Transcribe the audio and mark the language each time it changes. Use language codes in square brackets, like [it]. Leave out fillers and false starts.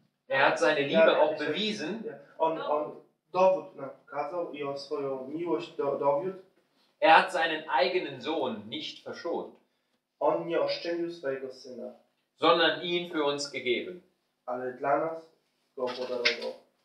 [de] hat seine Liebe auch bewiesen. [pl] On dowód nam pokazał i on swoją miłość dowiódł. [de] Hat seinen eigenen Sohn nicht verschont. [pl] On nie oszczędził swojego syna. [de] Sondern ihn für uns gegeben. [pl] Ale dla nas go podarował.